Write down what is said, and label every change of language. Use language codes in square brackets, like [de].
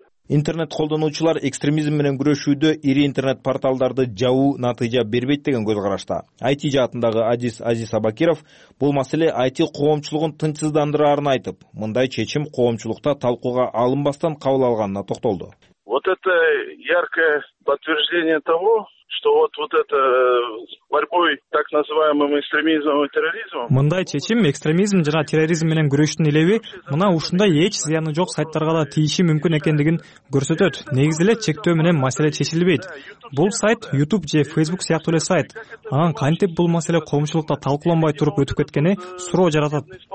[ky] Интернет колдонуучулар экстремизм менен күрөшүүдө ири интернет порталдарды жабуу натыйжа бербейт деген көз карашта. IT жаатындагы Адис Азиз Абакиров бул маселе IT коомчулугун тынчсыздандыраарын айтып, мындай чечим коомчулукта талкууга алынбастан кабыл алынганына токтолду. [ru] Вот это яркое подтверждение того, что вот это борьбой так называемым экстремизмом и терроризмом. [ky] Мындай чечим экстремизм жана терроризм менен күрөштүн элеви мына ушундай эч зыяны жок сайттарга да тийиши мүмкүн экендигин көрсөтөт. Негизи эле чектөө менен маселе чечилбейт. Бул сайт YouTube же Facebook сыяктуу эле сайт. Анан кантип бул маселе коомчулукта талкууланбай туруп өтүп кеткени суроо жаратат.